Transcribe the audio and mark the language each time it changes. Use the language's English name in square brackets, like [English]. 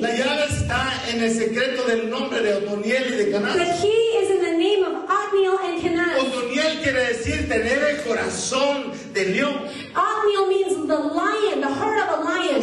[Spanish] La llave está en el secreto del nombre de Otoniel y de Kenaz. [English] The key is in the name of Otniel and Kenaz. [Spanish] Otoniel quiere decir tener el corazón de león. [English] Otniel means the lion, the heart of a lion.